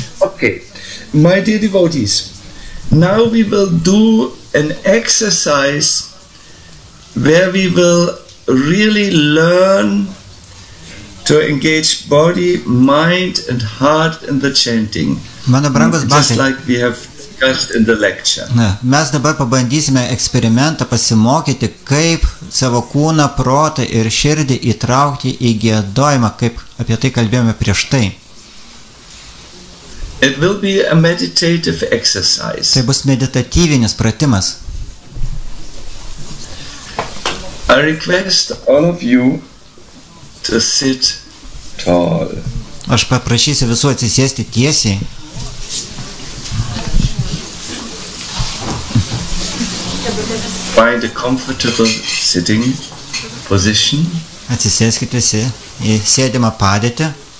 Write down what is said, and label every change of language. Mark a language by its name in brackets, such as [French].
[English] Okay, my dear devotees, now we will do an exercise where we will really learn to engage body, mind and heart in the chanting. [Lithuanian] Mano brangus baktai, [English] just like we have discussed in the lecture. [Lithuanian] Na, mes dabar pabandysime eksperimentą pasimokyti, kaip savo kūną, protą ir širdį įtraukti į giedojimą, kaip apie tai kalbėjome prieš tai. [English] It will be a meditative exercise. [Lithuanian] Tai bus meditatyvinis pratimas. [English] I request all of you to sit tall. [Lithuanian] Aš paprašysiu visų atsisėsti tiesiai. [English] Find a comfortable sitting position. [Lithuanian] Atsisėskite visi į sėdimą padėtį.